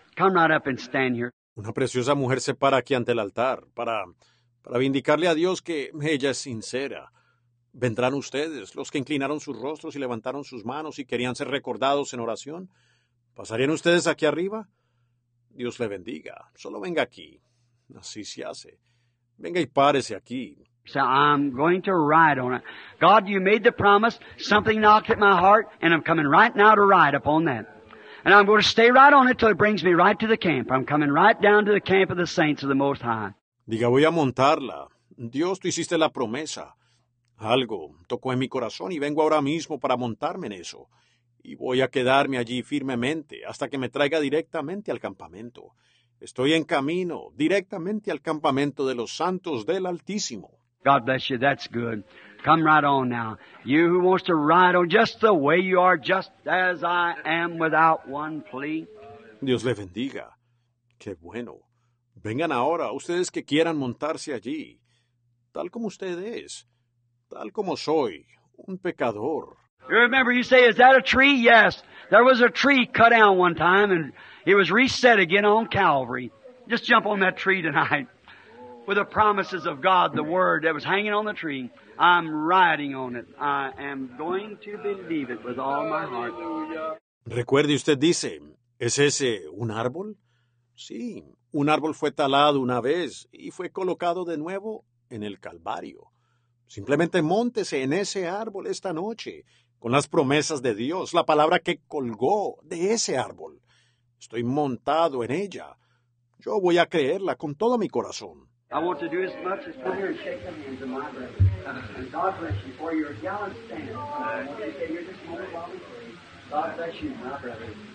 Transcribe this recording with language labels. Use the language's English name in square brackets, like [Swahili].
[English] Come right up and stand here. [Spanish] Una preciosa mujer se para aquí ante el altar para vindicarle a Dios que ella es sincera. ¿Vendrán ustedes, los que inclinaron sus rostros y levantaron sus manos y querían ser recordados en oración? ¿Pasarían ustedes aquí arriba? Dios le bendiga. Solo venga aquí. Así se hace. Venga y párese aquí. [English] So I'm going to ride on it. God, you made the promise. Something knocked at my heart, and I'm coming right now to ride upon that. And I'm going to stay right on it till it brings me right to the camp. I'm coming right down to the camp of the saints of the Most High. [Spanish] Diga, voy a montarla. Dios, tú hiciste la promesa. Algo tocó en mi corazón y vengo ahora mismo para montarme en eso. Y voy a quedarme allí firmemente hasta que me traiga directamente al campamento. Estoy en camino directamente al campamento de los santos del Altísimo. [English] God bless you. That's good. Come right on now. You who wants to ride on just the way you are, just as I am, without one plea. [Spanish] Dios le bendiga. Qué bueno. Vengan ahora, ustedes que quieran montarse allí, tal como usted es, tal como soy, un pecador. [English] You remember, you say, is that a tree? Yes. There was a tree cut down one time, and it was reset again on Calvary. Just jump on that tree tonight. With the promises of God, the word that was hanging on the tree, I'm riding on it. I am going to believe it with all my heart. [Spanish] Recuerde, usted dice, ¿es ese un árbol? Sí, un árbol fue talado una vez y fue colocado de nuevo en el Calvario. Simplemente móntese en ese árbol esta noche con las promesas de Dios, la palabra que colgó de ese árbol. Estoy montado en ella. Yo voy a creerla con todo mi corazón. [English] I want to do as much as come here and shake the hands of my brother. And God bless you for your gallant stand. Okay, you're just moment while we pray. God bless you, my brother.